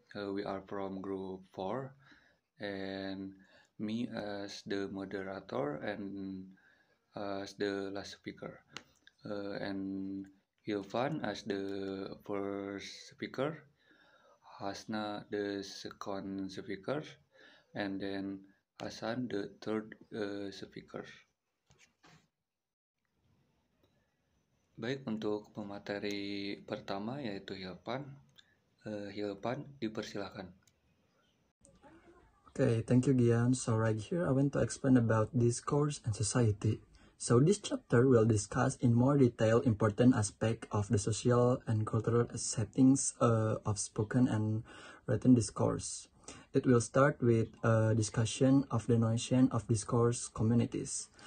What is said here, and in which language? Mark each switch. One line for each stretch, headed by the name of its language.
English: We are from group 4. And me as the moderator and as the last speaker, and Hilvan as the first speaker, Hasna the second speaker, and then Hasan the third speaker.
Indonesian: Baik, untuk pemateri pertama yaitu Hilvan, Hilvan dipersilahkan.
English: Okay, thank you, Gian. So right here, I want to explain about discourse and society. So this chapter will discuss in more detail important aspects of the social and cultural settings of spoken and written discourse. It will start with a discussion of the notion of discourse communities.